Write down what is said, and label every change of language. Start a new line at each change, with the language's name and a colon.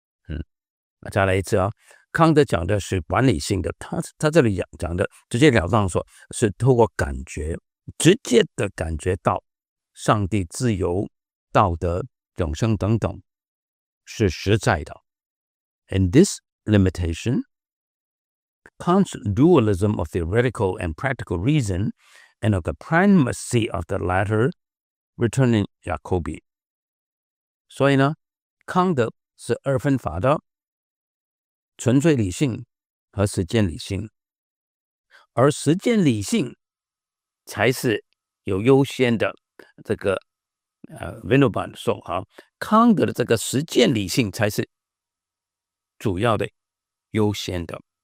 Chinese: 嗯，再来一次啊，康德讲的是管理性的，他这里讲的直截了当说是透过感觉，直接的感觉到上帝、自由、道德、永生等等是实在的。
English: And this limitation, Kant's dualism of theoretical and practical reason and of the primacy of the latter returning Jacobi.
Chinese: 所以呢，康德是二分法的，纯粹理性和实践理性，而实践理性才是有优先的。这个Winneband 说啊，康德的这个实践理性才是主要的优先的。